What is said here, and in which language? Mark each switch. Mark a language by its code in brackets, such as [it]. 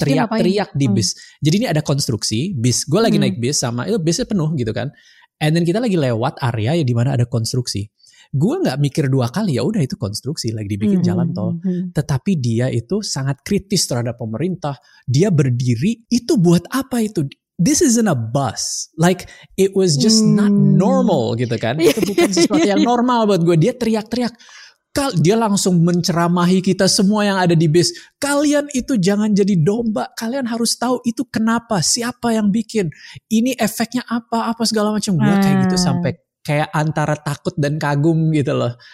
[id] teriak-teriak di bis. Jadi ini ada konstruksi, bis, gue lagi naik bis sama, itu bisnya penuh gitu kan. [en] And then [id] kita lagi lewat area yang dimana ada konstruksi. Gue gak mikir dua kali, ya udah itu konstruksi, lagi dibikin jalan tol. Tetapi dia itu sangat kritis terhadap pemerintah. Dia berdiri, itu buat apa itu? [en] This isn't a bus. Like, it was just not normal [id] gitu kan. Itu bukan sesuatu yang normal buat gue. Dia teriak-teriak. Dia langsung menceramahi kita semua yang ada di bis. Kalian itu jangan jadi domba. Kalian harus tahu itu kenapa. Siapa yang bikin. Ini efeknya apa. Apa segala macam. Gue kayak gitu sampai kayak antara takut dan kagum gitu loh.